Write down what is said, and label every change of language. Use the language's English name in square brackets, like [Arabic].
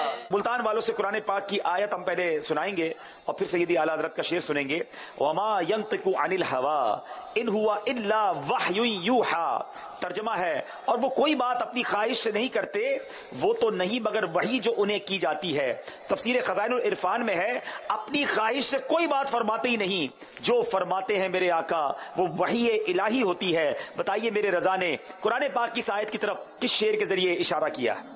[Urdu] ملتان والوں سے قرآن پاک کی آیت ہم پہلے سنائیں گے اور پھر سیدی اعلی حضرت کا شعر سنیں گے. [Arabic] وما ينطق عن الهوى ان هو الا وحي يوحى. [Urdu] ترجمہ ہے, اور وہ کوئی بات اپنی خواہش سے نہیں کرتے, وہ تو نہیں مگر وحی جو انہیں کی جاتی ہے. تفسیر خزائن العرفان میں ہے, اپنی خواہش سے کوئی بات فرماتے ہی نہیں, جو فرماتے ہیں میرے آقا وہ وحی الہی ہوتی ہے. بتائیے میرے رضا نے قرآن پاک کی آیت کی طرف کس شعر کے ذریعے اشارہ کیا؟